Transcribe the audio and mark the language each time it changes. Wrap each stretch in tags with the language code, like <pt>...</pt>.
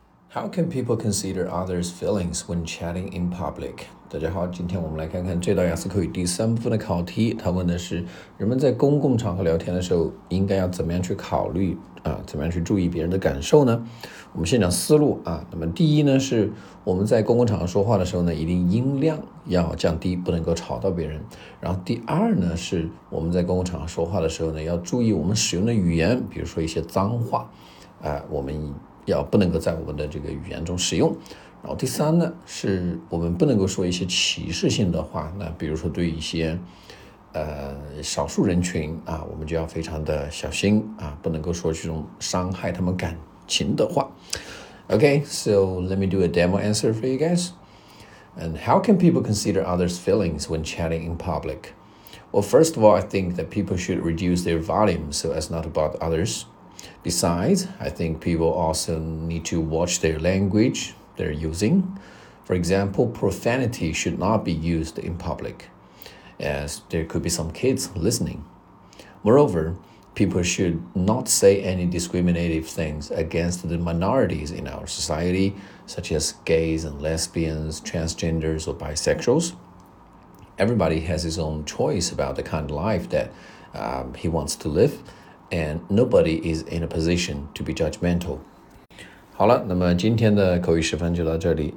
<en>How can people consider others' feelings when chatting in public?</en> <zh>大家好，今天我们来看看这道雅思口语第三部分的考题。它问的是，人们在公共场合聊天的时候，应该要怎么样去考虑啊？怎么样去注意别人的感受呢？我们先讲思路啊。那么第一呢，是我们在公共场合说话的时候呢，一定音量要降低，不能够吵到别人。然后第二呢，是我们在公共场合说话的时候呢，要注意我们使用的语言，比如说一些脏话，我们要不能够在我们的这个语言中使用。然后第三呢，是我们不能够说一些歧视性的话，那比如说对一些少数人群啊，我们就要非常的小心啊，不能够说这种伤害他们感情的话。</zh> <en>Okay, so let me do a demo answer for you guys. And how can people consider others' feelings when chatting in public? Well, first of all, I think that people should reduce their volume so as not to bother othersBesides, I think people also need to watch their language they're using. For example, profanity should not be used in public, as there could be some kids listening. Moreover, people should not say any discriminative things against the minorities in our society, such as gays and lesbians, transgenders or bisexuals. Everybody has his own choice about the kind of life that, he wants to live. And nobody is in a position to be judgmental.</en> <zh>好了，那么今天的口语示范就到这里。</zh>